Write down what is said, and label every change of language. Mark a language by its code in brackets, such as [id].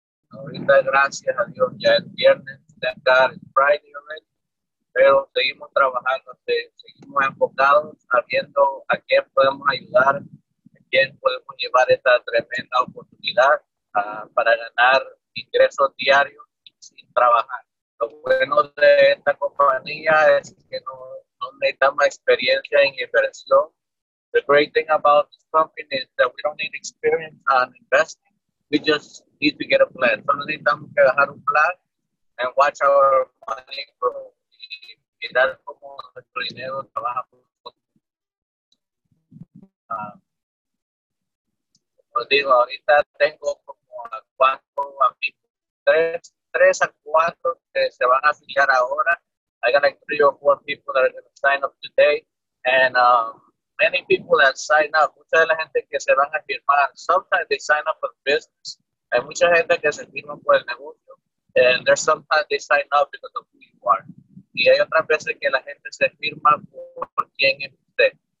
[es] Ahorita, gracias a Dios, ya es viernes, ya está el Friday, pero seguimos trabajando, seguimos enfocados, sabiendo a quién podemos ayudar, quién podemos llevar esta tremenda oportunidad para ganar ingresos diarios sin trabajar. Lo bueno de esta compañía es que no necesita más experiencia en inversión. [en] The great thing about this company is that we don't need experience on investing. We just need to get a plan. Solo necesitamos que agarrar un plan and watch our money grow. [es] Y mirar cómo nuestro dinero trabaja por nosotros. Os digo, ahorita tengo como a cuatro amigos, tres a cuatro que se van a afiliar ahora. [en] I got like three or four people that are going to sign up today. And many people that sign up, mucha de la gente que se van a firmar, sometimes they sign up for business. [es] Hay mucha gente que se firma por el negocio. [en] And there's sometimes they sign up because of who you are. [es] Y hay otras veces que la gente se firma por quién es usted.